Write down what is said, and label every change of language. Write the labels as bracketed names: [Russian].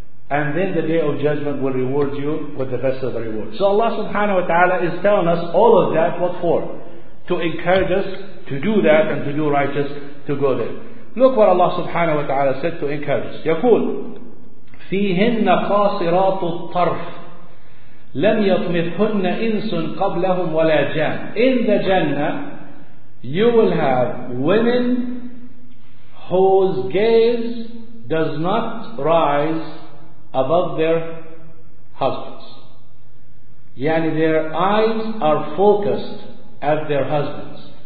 [English] And then the day of judgment will reward you with the best of the rewards. So Allah subhanahu wa ta'ala is telling us all of that, what for? To encourage us to do that and to do righteous, to go there. Look what Allah subhanahu wa ta'ala said to encourage us. [Arabic] يقول فيهن قاصرات الطرف لم يطمثهن إنس قبلهم ولا جان. [English] In the Jannah, you will have women whose gaze does not rise above their husbands. [Arabic] يعني [English] their eyes are focused at their husbands.